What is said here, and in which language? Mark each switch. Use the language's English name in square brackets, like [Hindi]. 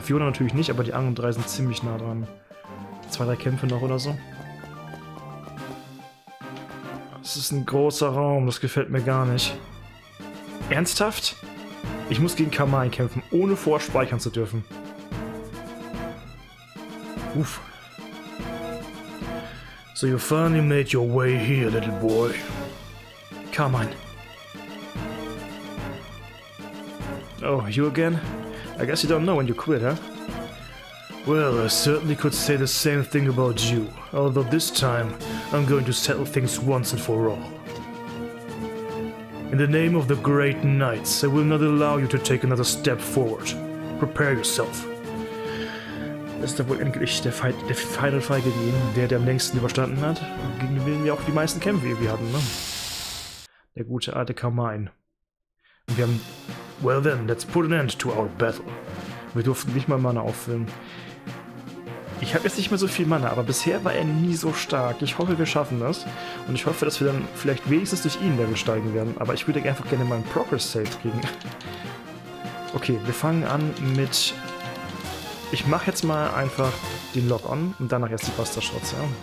[German] Fiona natürlich nicht, aber die anderen drei sind ziemlich nah dran. Zwei, drei Kämpfe noch oder so. Das ist ein großer Raum. Das gefällt mir gar nicht. Ernsthaft? Ich muss gegen Kamai kämpfen, ohne vorspeichern zu dürfen. Uff. [English] So you finally made your way here, little boy. Carmine. Oh, you again? I guess you don't know when you quit, huh? Well, I certainly could say the same thing about you. Although this time, I'm going to settle things once and for all. In the name of the great knights, I will not allow you to take another step forward. Prepare yourself. [German] Ist da wohl endlich der Fight, der Final Fight gegen den, der am längsten überstanden hat? Gegen den wir auch die meisten Kämpfe irgendwie hatten, ne? Der gute alte Carmine. Und wir haben... [English] Well then, let's put an end to our battle. [German] Wir durften nicht mal Mana auffüllen. Ich habe jetzt nicht mehr so viel Mana, aber bisher war er nie so stark. Ich hoffe, wir schaffen das. Und ich hoffe, dass wir dann vielleicht wenigstens durch ihn Level steigen werden. Aber ich würde einfach gerne mal einen Progress Save kriegen. Okay, wir fangen an mit... Ich mache jetzt mal einfach den Lock-On und danach erst die Buster-Shots, ja.